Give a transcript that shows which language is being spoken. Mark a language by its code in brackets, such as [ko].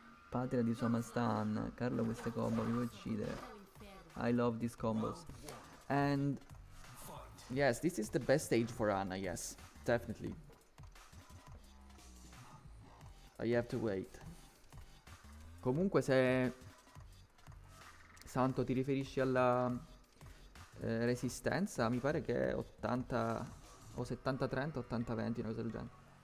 [it] Patria di Somastan, Carlo, queste combo mi vuoi uccidere. [en] I love these combos. And yes, this is the best stage for Anna, yes, definitely. I have to wait. [it] Comunque, se Santo ti riferisci alla resistenza, mi pare che è 80 o 70-30, 80-20, una cosa del genere.